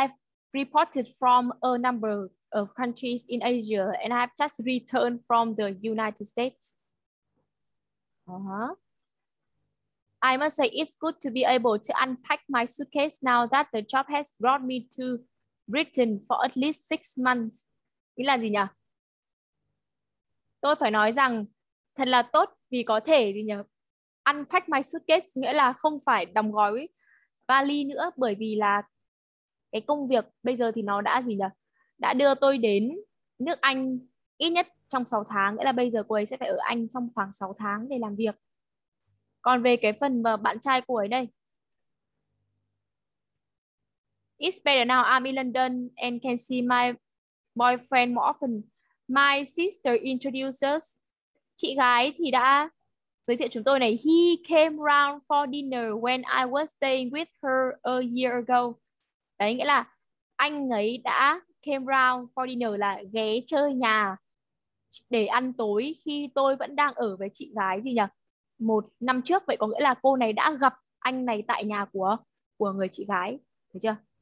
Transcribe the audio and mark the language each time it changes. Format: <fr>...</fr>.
<en>I've reported from a number of countries in Asia and I've just returned from the United States. I must say it's good to be able to unpack my suitcase now that the job has brought me to Britain for at least 6 months.</en> <vi>Ý là gì nhỉ? Tôi phải nói rằng thật là tốt vì có thể gì nhỉ?</vi> <en>Unpack my suitcase</en> <vi>nghĩa là không phải đóng gói vali nữa bởi vì là cái công việc bây giờ thì nó đã gì nhỉ? Đã đưa tôi đến nước Anh ít nhất trong 6 tháng, nghĩa là bây giờ cô ấy sẽ phải ở Anh trong khoảng 6 tháng để làm việc. Còn về cái phần mà bạn trai cô ấy đây.</vi> <en>It's better now I'm in London and can see my boyfriend more often. My sister introduces.</en> <vi>Chị gái thì đã giới thiệu chúng tôi này.</vi> <en>He came round for dinner when I was staying with her a year ago.</en> <vi>Đấy nghĩa là anh ấy đã</vi> <en>came round for dinner</en> <vi>là ghé chơi nhà để ăn tối khi tôi vẫn đang ở với chị gái gì nhỉ? Một năm trước, vậy có nghĩa là cô này đã gặp anh này tại nhà của người chị gái. Thấy chưa?</vi>